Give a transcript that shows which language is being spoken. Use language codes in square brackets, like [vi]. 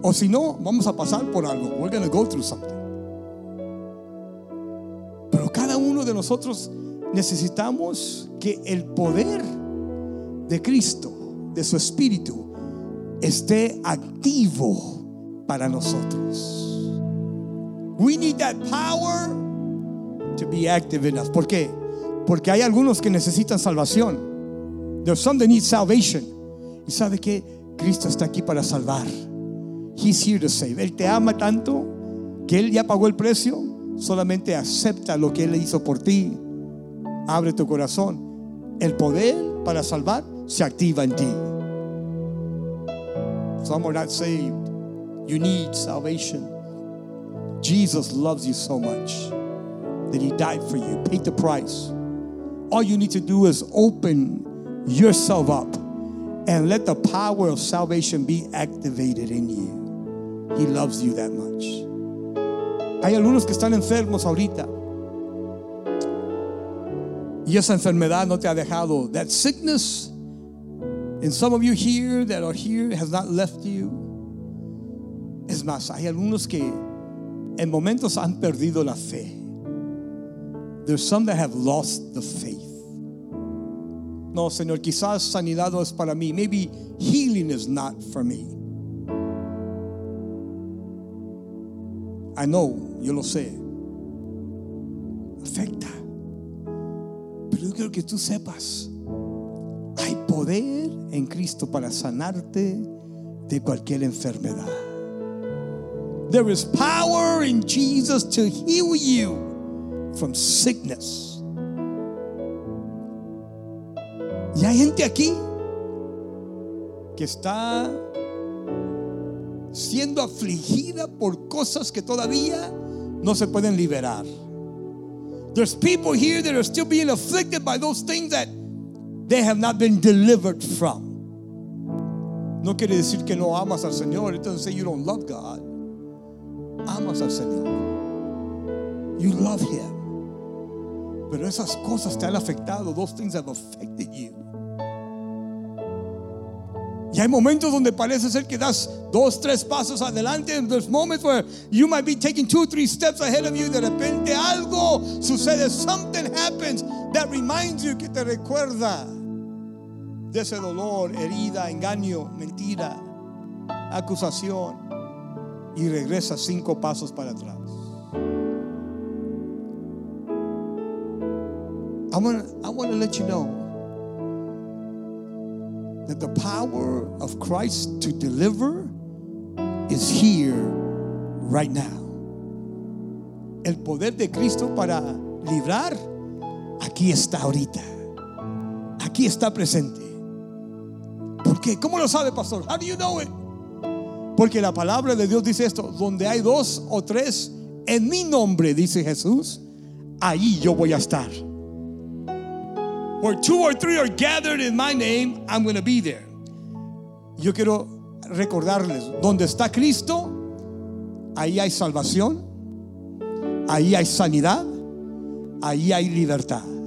[es] O si no, vamos a pasar por algo. [en] We're going to go through something. [es] Pero cada uno de nosotros necesitamos que el poder de Cristo, de su Espíritu, esté activo para nosotros. [en] We need that power to be active in us. [es] ¿Por qué? Porque hay algunos que necesitan salvación. [en] There's some that need salvation. [es] ¿Y sabe qué? Cristo está aquí para salvar. [en] He's here to save. [es] Él te ama tanto que Él ya pagó el precio. Solamente acepta lo que Él hizo por ti. Abre tu corazón. El poder para salvar se activa en ti. [en] Some are not saved. You need salvation. Jesus loves you so much that He died for you, paid the price. All you need to do is open yourself up and let the power of salvation be activated in you. He loves you that much. [es] Hay algunos que están enfermos ahorita y esa enfermedad no te ha dejado. [en] That sickness, and some of you here that are here, has not left you. [es] Es más, hay algunos que en momentos han perdido la fe. [en] There's some that have lost the faith. [es] No, Señor, quizás sanidad no es para mí. [en] Maybe healing is not for me. I know, [es] yo lo sé. Afecta. Pero yo quiero que tú sepas, hay poder en Cristo para sanarte de cualquier enfermedad. [en] There is power in Jesus to heal you from sickness. [es] Y hay gente aquí que está siendo afligida por cosas que todavía no se pueden liberar. [en] There's people here that are still being afflicted by those things that they have not been delivered from. [es] No quiere decir que no amas al Señor. [en] It doesn't say you don't love God. [es] Amas al Señor. [en] You love Him. [es] Pero esas cosas te han afectado. [en] Those things have affected you. [es] Y hay momentos donde parece ser que das dos, tres pasos adelante. [en] And there's moments where you might be taking two, three steps ahead of you. [es] De repente algo sucede. [en] Something happens that reminds you, [es] que te recuerda de ese dolor, herida, engaño, mentira, acusación. y regresa 5 pasos para atrás. [en] I want to let you know that the power of Christ to deliver is here right now. [es] El poder de Cristo para librar aquí está ahorita. Aquí está presente. ¿Por qué? ¿Cómo lo sabe, pastor? [en] How do you know it? [es] Porque la palabra de Dios dice esto: donde hay 2 o 3 en mi nombre, dice Jesús, ahí yo voy a estar. [en] Where 2 or 3 are gathered in my name, I'm going to be there. [es] Yo quiero recordarles: donde está Cristo, ahí hay salvación, ahí hay sanidad, ahí hay libertad.